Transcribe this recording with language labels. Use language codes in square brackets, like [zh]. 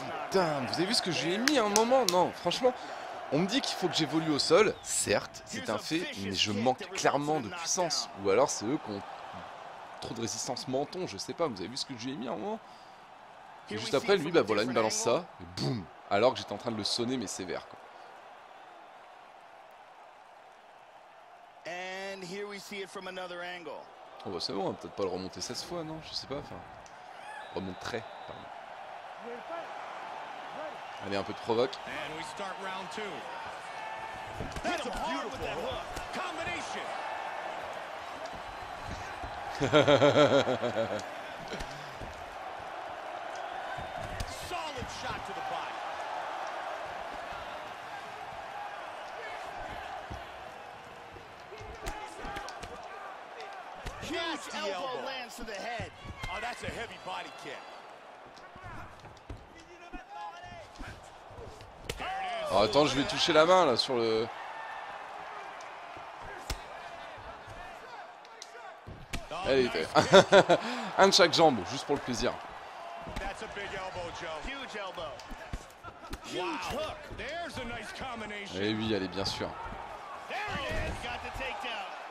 [fr] Putain, vous avez vu ce que j'ai mis à un moment? Non, franchement, on me dit qu'il faut que j'évolue au sol. Certes, c'est un fait, mais je manque clairement de puissance. Ou alors c'est eux qui ont trop de résistance menton, je sais pas. Vous avez vu ce que j'ai mis à un moment? Et juste après, lui, bah voilà, il me balance ça. Et boum! Alors que j'étais en train de le sonner, mais sévère, quoi. [en] And here we see it from another angle. [fr] Oh bah c'est bon, hein, peut-être pas le remonter 16 fois, non? Je sais pas, enfin... Remonterait, pardon. Allez, un peu de provoque. [en] And we start round two. That's a beautiful with that hook. Combination. Solid shot to the body. Huge elbow lands to the head. Oh, that's a heavy body kick. [fr] Oh, attends, je vais toucher la main là sur le. Allez, t'es. Un de chaque jambe, juste pour le plaisir. [en] That's a big elbow, Joe. Huge elbow. Huge hook. There's a nice combination. [fr] Eh oui, allez, bien sûr. [en] There he is, got the takedown.